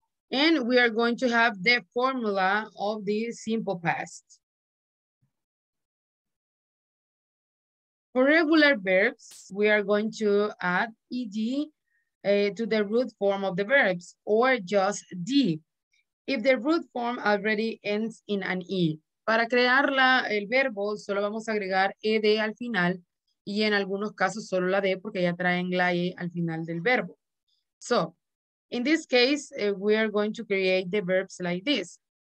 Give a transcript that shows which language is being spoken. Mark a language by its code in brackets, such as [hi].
[en] And we are going to have the formula of the simple past. For regular verbs, we are going to add ed to the root form of the verbs, or just d, if the root form already ends in an e. [es] Para crear el verbo, solo vamos a agregar ed al final, y en algunos casos solo la d, porque ya traen la e al final del verbo. [en] So, in this case, we are going to create the verbs like this.